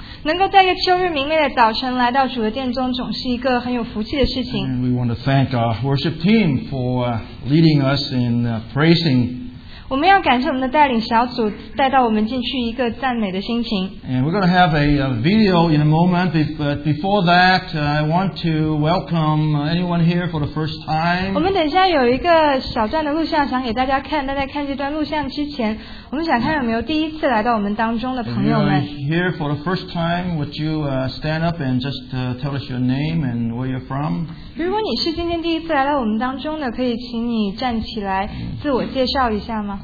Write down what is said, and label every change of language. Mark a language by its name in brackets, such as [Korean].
[Chinese] 能够在一个秋日明媚的早晨来到主的殿中，总是一个很有福气的事情。 [English] And we want to thank our worship team for leading us in praising. [Chinese] 我们要感谢我们的带领小组带到我们进去一个赞美的心情。 [English] And we're going to have a video in a moment, but before that, I want to welcome anyone here for the first time. [Chinese] 我们等一下有一个小段的录像想给大家看，但在看这段录像之前， 我们想看有没有第一次来到我们当中的朋友们。 [English] If you're here for the first time, would you stand up and just tell us your name and where you're from? [Chinese] 如果你是今天第一次来到我们当中的，可以请你站起来自我介绍一下吗？